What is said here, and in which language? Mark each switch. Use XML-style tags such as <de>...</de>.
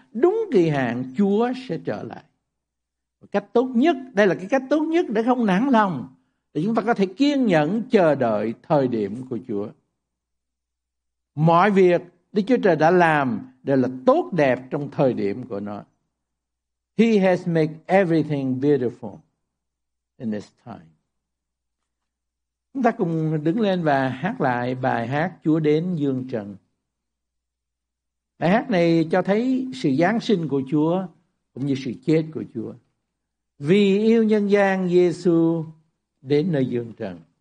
<vi>Đúng kỳ hạn Chúa sẽ trở lại. Cách tốt nhất, đây là cái cách tốt nhất để không nản lòng, để chúng ta có thể kiên nhẫn chờ đợi thời điểm của Chúa. Mọi việc Đức Chúa Trời đã làm đều là tốt đẹp trong thời điểm của nó.</vi> <en>He has made everything beautiful in this time.</en> <vi>Chúng ta cùng đứng lên và hát lại bài hát Chúa đến dương trần. Bài hát này cho thấy sự giáng sinh của Chúa cũng như sự chết của Chúa. Vì yêu nhân gian, Giêsu đến nơi dương trần.</vi>